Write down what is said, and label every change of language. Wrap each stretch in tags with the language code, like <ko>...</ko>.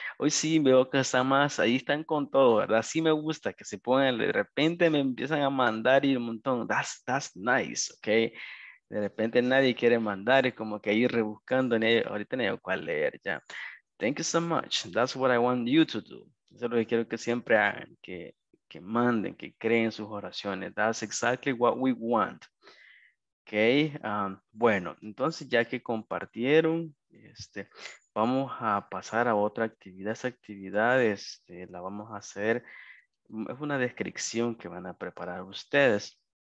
<es>Hoy sí veo que están más, ahí están con todo, ¿verdad? Sí me gusta que se pongan, de repente me empiezan a mandar y un montón.</es> <en>That's nice, okay.</en> <es>De repente nadie quiere mandar, es como que ahí rebuscando, ahorita no hay cuál leer ya.</es> <en>Thank you so much, that's what I want you to do.</en> <es>Eso es lo que quiero que siempre hagan, que manden, que creen sus oraciones.</es> <en>That's exactly what we want.</en> <es>Ok, bueno, entonces ya que compartieron, vamos a pasar a otra actividad. Esa actividad la vamos a hacer, es una descripción que van a preparar ustedes.</es>